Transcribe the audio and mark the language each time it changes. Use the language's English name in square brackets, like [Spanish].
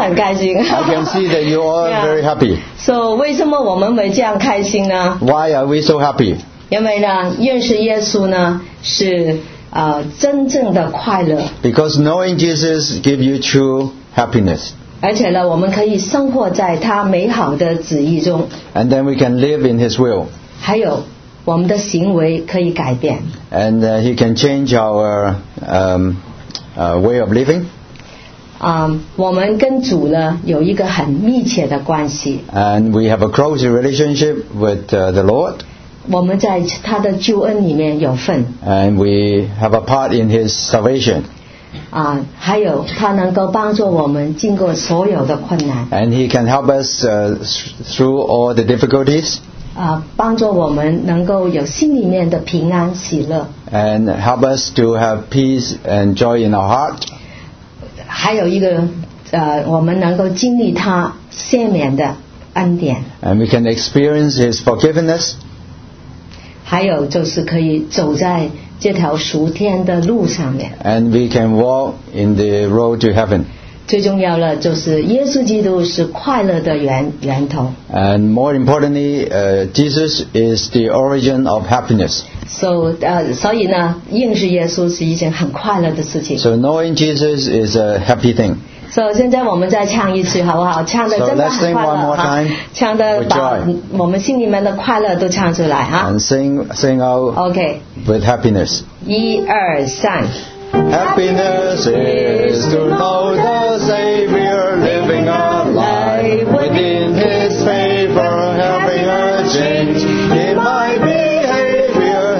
[English] I can see that you are very happy. [Chinese] So, 为什么我们会这样开心呢？ [English] Why are we so happy? [Chinese] 因为呢，认识耶稣呢，是真正的快乐。 [English] Because knowing Jesus gives you true happiness. [Chinese] 而且呢，我们可以生活在他美好的旨意中。 [English] And then we can live in His will. [Chinese] 还有，我们的行为可以改变。 [English] And He can change our way of living. [Chinese] 我们跟主呢有一个很密切的关系。 [English] And we have a close relationship with the Lord. [Chinese] 我们在他的救恩里面有份。 [English] And we have a part in His salvation. [Chinese] 还有他能够帮助我们经过所有的困难。 [English] And He can help us through all the difficulties. [Chinese] 帮助我们能够有心里面的平安喜乐。 [English] And help us to have peace and joy in our heart. [Chinese] 还有一个我们能够经历他赦免的恩典。 [English] And we can experience His forgiveness. [Chinese] 还有就是可以走在这条属天的路上面。 [English] And we can walk in the road to heaven. [Chinese] 最重要的就是耶稣基督是快乐的源头。 [English] And more importantly, Jesus is the origin of happiness. [Chinese] So, 所以呢，认识耶稣是一件很快乐的事情。 [English] So knowing Jesus is a happy thing. [Chinese] So 现在我们再唱一次，好不好？唱的真的很快乐哈！唱的把我们心里面的快乐都唱出来哈 [English] ！And sing out. Okay. With happiness. [Chinese] 一二三。 [English] Happiness is to know the Savior, living a life within His favor, having a change in my behavior.